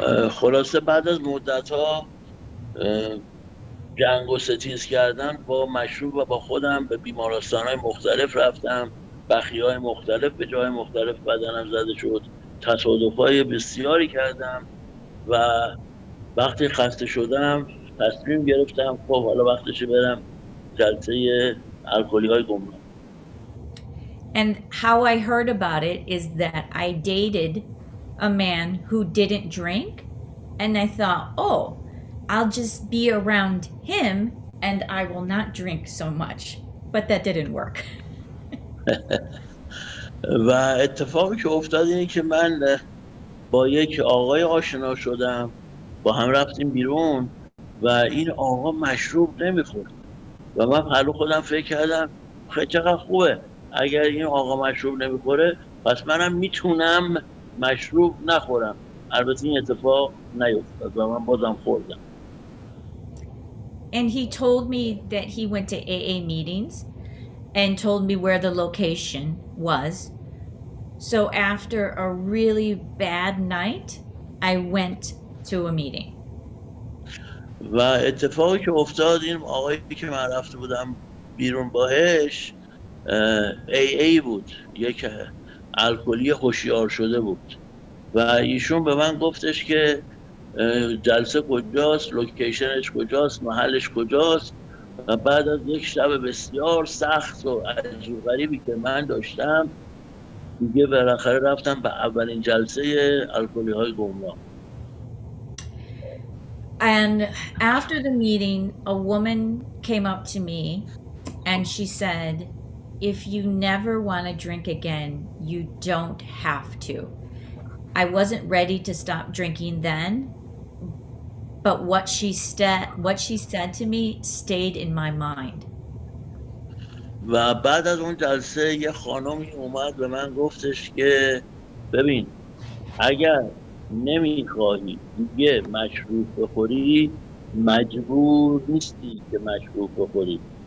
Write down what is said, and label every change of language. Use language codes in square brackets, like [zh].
[fa] خلاصه بعد از مدت ها جنگ و ستیز کردن با مشروب و با خودم به بیمارستان های مختلف رفتم، بخیه های مختلف به جای مختلف بدنم زده شد، تصادف های بسیاری کردم و وقتی خسته شدم تصمیم گرفتم خب حالا وقتشه برم جلسه الکلی های گمنام. [en] And how I heard about it is that I dated a man who didn't drink and I thought, oh, I'll just be around him and I will not drink so much. But that didn't work. [fa] و اتفاقی که افتاد اینه که من با یک آقای آشنا شدم، با هم رفتیم بیرون و این آقا مشروب نمیخورد و من حالا خودم فکر کردم خیلی چقدر خوبه، اگر این آقا مشروب نمیخوره پس منم میتونم مشروب نخورم. البته این اتفاق نیفتاد و من بازم خوردم. [en] And he told me that he went to AA meetings and told me where the location was. So after a really bad night, I went to a meeting. [fa] و اتفاقی که افتاد این آقایی که من رفته بودم بیرون باهش AA بود، یک الکلی هوشیار شده بود و ایشون به من گفتش که جلسه کجاست، لوکیشنش کجاست، محلش کجاست. و بعد از یک شب بسیار سخت و عجیب غریبی که من داشتم دیگه بالاخره رفتم به اولین جلسه الکلی های گمنام. [en] And after the meeting a woman came up to me and she said, if you never want to drink again you don't have to. I wasn't ready to stop drinking then, but what she said to me stayed in my mind. [fa] و بعد از اون جلسه یه خانمی اومد به من گفتش که ببین اگر نمیخوای دیگه مشروب بخوری مجبور نیستی که مشروب بخوری.